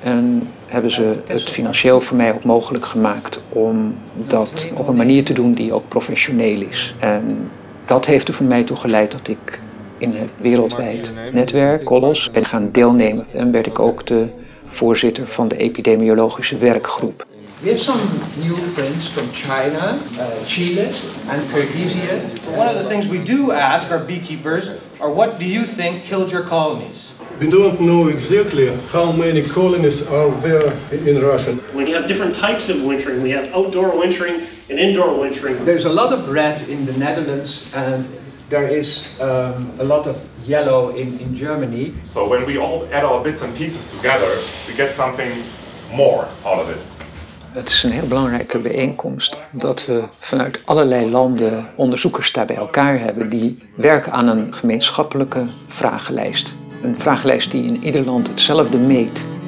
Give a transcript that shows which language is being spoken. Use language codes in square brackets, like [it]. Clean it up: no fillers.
[nl] En hebben ze het financieel voor mij ook mogelijk gemaakt om dat op een manier te doen die ook professioneel is. En dat heeft er voor mij toe geleid dat ik in het wereldwijd netwerk, Kolos, ben gaan deelnemen. En werd ik ook de voorzitter van de epidemiologische werkgroep. [en] We have some new friends from China, Chile, and Kyrgyzstan. One of the things we do ask our beekeepers are, what do you think killed your colonies? We don't know exactly how many colonies are there in Russia. When you have different types of wintering, we have outdoor wintering and indoor wintering. There's a lot of red in the Netherlands, and there is a lot of yellow in Germany. So when we all add our bits and pieces together, we get something more out of it. [nl] Het is een heel belangrijke bijeenkomst dat we vanuit allerlei landen onderzoekers daar bij elkaar hebben die werken aan een gemeenschappelijke vragenlijst. Een vragenlijst die in ieder land hetzelfde meet.